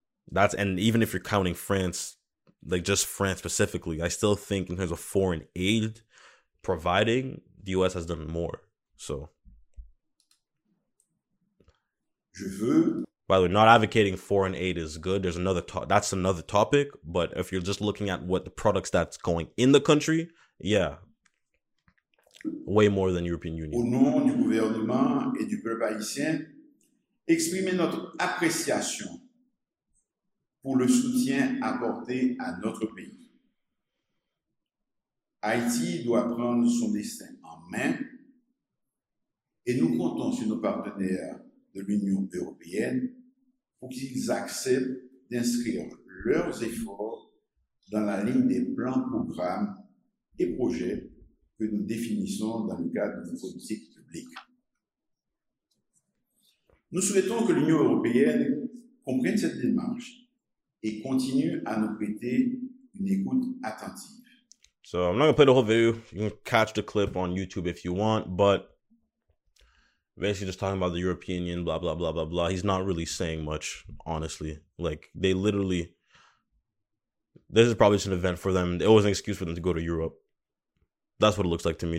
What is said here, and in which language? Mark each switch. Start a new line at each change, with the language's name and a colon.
English: That's, and even if you're counting France, like just France specifically, I still think in terms of foreign aid providing, the US has done more. So,
French: je veux,
English: by the way, not advocating foreign aid is good. There's another that's another topic, but if you're just looking at what the products that's going in the country, yeah. Way more than European Union.
French: Au nom du gouvernement et du peuple haïtien, exprimer notre appréciation pour le soutien apporté à notre pays. Haïti doit prendre son destin en main et nous comptons sur nos partenaires de l'Union européenne pour qu'ils acceptent d'inscrire leurs efforts dans la ligne des plans, programmes et projets que nous définissons dans le cadre de nos politiques publiques. Nous souhaitons que l'Union européenne comprenne cette démarche et continue à nous prêter une écoute attentive.
English: So, I'm not going to play the whole video. You can catch the clip on YouTube if you want, but basically just talking about the European Union, blah, blah, blah, blah, blah. He's not really saying much, honestly. Like, they literally, this is probably just an event for them. It was an excuse for them to go to Europe. That's what it looks like to me.